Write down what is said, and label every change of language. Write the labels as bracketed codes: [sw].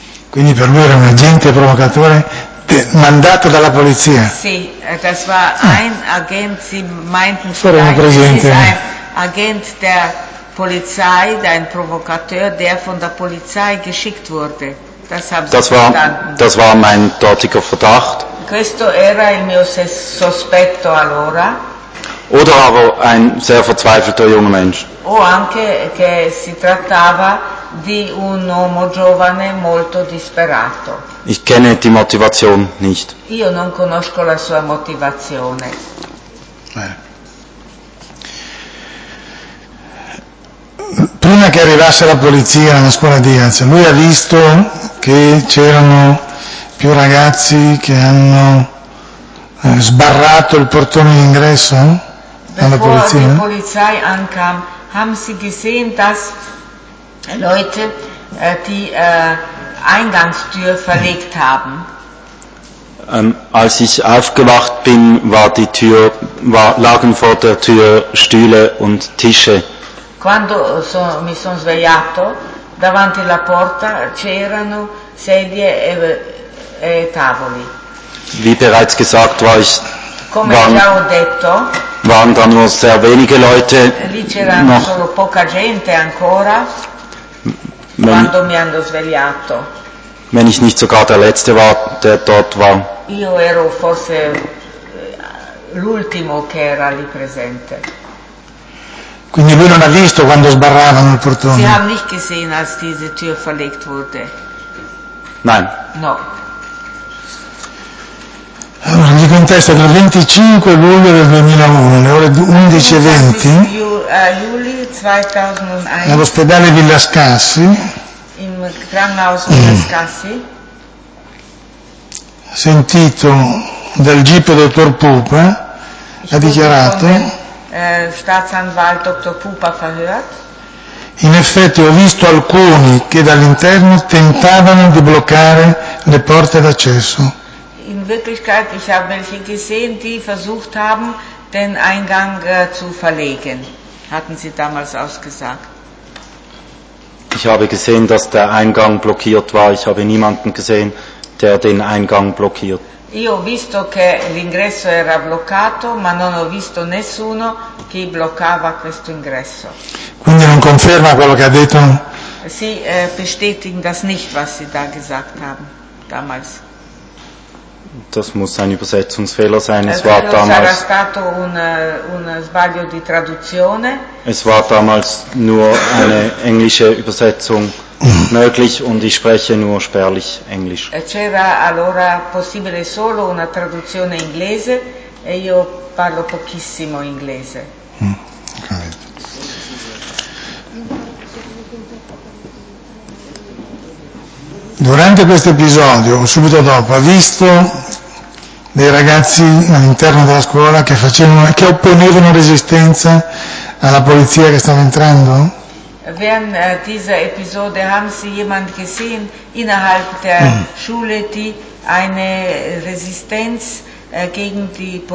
[it] Quindi per lui era un agente provocatore mandato dalla polizia. [de] Sì, das war ein Agent, sie meinten vielleicht, ein Agent der Polizei, ein Provokateur, der von der Polizei geschickt wurde. Das haben sie verstanden. Das war mein dortiger Verdacht. [it] Questo era il mio sospetto allora. [de] Oder aber ein sehr verzweifelter junger Mensch. [it] O anche che si trattava di un uomo giovane molto disperato. [de] Ich kenne die Motivation nicht. [it] Io non conosco la sua motivazione. Prima che arrivasse la polizia nella scuola di Diaz, lui ha visto che c'erano più ragazzi che hanno sbarrato il portone d'ingresso alla polizia? [en] Before the [de] Polizei ankam, haben Sie gesehen, dass Leute, die Eingangstür verlegt haben. Als ich aufgewacht bin, lagen vor der Tür Stühle und Tische. [it] Quando mi sono svegliato, davanti alla porta c'erano sedie e tavoli. [de] Wie bereits gesagt, waren da nur sehr wenige Leute. [it] Lì c'erano solo poca gente ancora. Quando mi hanno svegliato. [de] Wenn ich nicht sogar der Letzte war, der dort war. [it] Io ero forse l'ultimo che era lì presente. Quindi lui non ha visto quando sbarravano il portone. [de] Sie haben nicht gesehen, als diese Tür verlegt wurde. Nein. [it] No. Allora, gli contesto dal 25 luglio del 2001, alle ore 11:20. [de] Juli 2001. [it] All'ospedale Villa Scassi. [de] Im Krankenhaus Villa Scassi. [it] Sentito dal GIP dottor Pupa, ha dichiarato. [de] Staatsanwalt dottor Pupa verhört. [it] In effetti ho visto alcuni che dall'interno tentavano di bloccare le porte d'accesso. [de] In Wirklichkeit, ich habe welche gesehen, die versucht haben, den Eingang zu verlegen. Hatten Sie damals ausgesagt? Ich habe gesehen, dass der Eingang blockiert war. Ich habe niemanden gesehen, der den Eingang blockiert. [it] Io ho visto che l'ingresso era bloccato, ma non ho visto nessuno che bloccava questo ingresso. Quindi non conferma quello che ha detto? [de] Sie bestätigen das nicht, was Sie da gesagt haben damals. Das muss ein Übersetzungsfehler sein. Es war damals. [it] Sarà stato un sbaglio di traduzione. [de] Es war damals nur eine englische Übersetzung möglich und ich spreche nur spärlich Englisch. [it] C'era allora possibile solo una traduzione inglese e io parlo pochissimo inglese. Durante questo episodio, subito dopo, ha visto dei ragazzi all'interno della scuola che facevano, che opponevano resistenza alla polizia che stava entrando? [de] Während dieser Episode haben Sie jemand gesehen innerhalb der Schule, die eine Resistenz gegen die Polizei